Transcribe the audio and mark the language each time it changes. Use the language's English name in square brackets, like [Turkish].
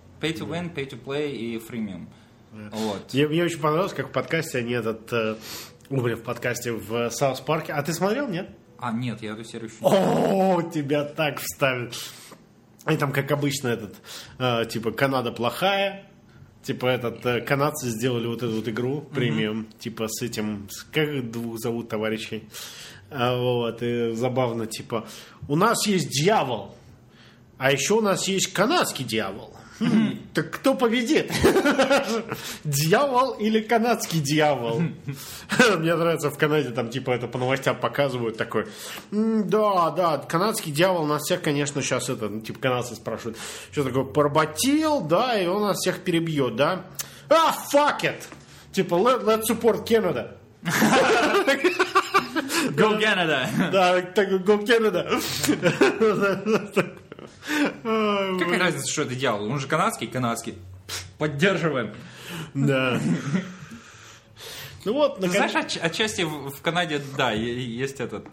[English] Pay to win, pay to play [Russian] и фримиум. Вот. Мне очень понравилось, как в подкасте они этот... в подкасте в South Park. А ты смотрел, нет? А, нет, я эту серию еще не смотрел. Тебя так вставят. И там, как обычно, этот... Канада плохая. Типа этот, канадцы сделали вот эту вот игру премиум, типа с этим, как двух зовут товарищей, вот, и забавно, типа, у нас есть дьявол, а еще у нас есть канадский дьявол, так кто победит, дьявол или канадский дьявол? Мне нравится, в Канаде там типа это по новостям показывают, такой, да, канадский дьявол нас всех, конечно, сейчас это, ну, типа канадцы спрашивают, что такое, поработил, да, и он нас всех перебьет, да? [English] Fuck it! [Russian] Типа, [English] let's support Canada. Go Canada. [Russian] Да, так, [English] Go Canada. [Russian] Какая разница, что это делал? Он же канадский, канадский. Поддерживаем. Да. Ну вот, знаешь, отчасти в Канаде, да, есть этот...